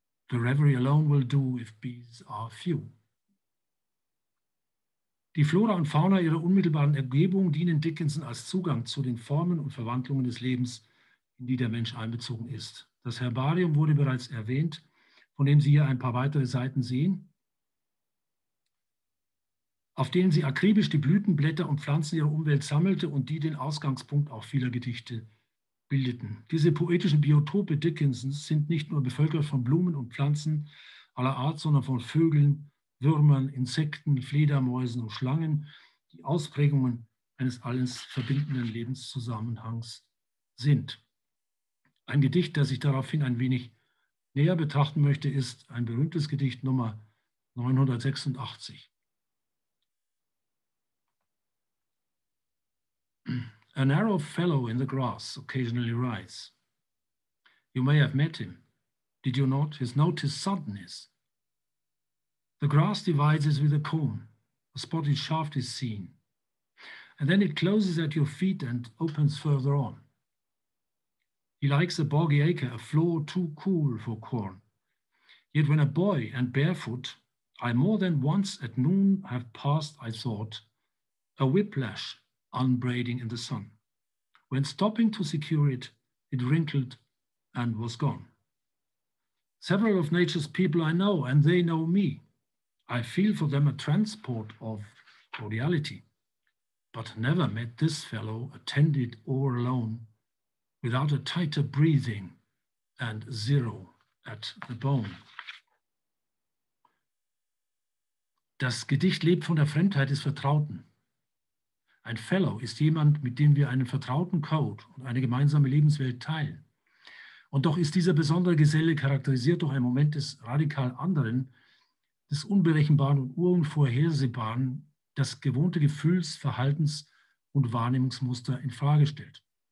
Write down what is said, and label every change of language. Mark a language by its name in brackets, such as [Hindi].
[English] The reverie alone will do if bees are few. [German] Die Flora und Fauna ihrer unmittelbaren Umgebung dienen Dickinson als Zugang zu den Formen und Verwandlungen des Lebens, in die der Mensch einbezogen ist. Das Herbarium wurde bereits erwähnt, von dem Sie hier ein paar weitere Seiten sehen, auf denen sie akribisch die Blüten, Blätter und Pflanzen ihrer Umwelt sammelte und die den Ausgangspunkt auch vieler Gedichte bildeten. Diese poetischen Biotope Dickinsons sind nicht nur bevölkert von Blumen und Pflanzen aller Art, sondern von Vögeln, Würmern, Insekten, Fledermäusen und Schlangen, die Ausprägungen eines alles verbindenden Lebenszusammenhangs sind. Ein Gedicht, das ich daraufhin ein wenig näher betrachten möchte, ist ein berühmtes Gedicht Nummer 986. [English] A narrow fellow in the grass occasionally writes. You may have met him. Did you not? His notice sudden is. The grass divides with a comb. A spotted shaft is seen. And then it closes at your feet and opens further on. He likes a boggy acre, a floor too cool for corn. Yet when a boy and barefoot, I more than once at noon have passed, I thought, a whiplash unbraiding in the sun. When stopping to secure it, it wrinkled and was gone. Several of nature's people I know, and they know me. I feel for them a transport of cordiality, but never met this fellow attended or alone without a tighter breathing and zero at the bone. [German] Das Gedicht lebt von der Fremdheit des Vertrauten. Ein Fellow ist jemand, mit dem wir einen vertrauten Code und eine gemeinsame Lebenswelt teilen. Und doch ist dieser besondere Geselle charakterisiert durch einen Moment des radikal anderen, des unberechenbaren und unvorhersehbaren, das gewohnte Gefühls-, Verhaltens- und Wahrnehmungsmuster in Frage stellt.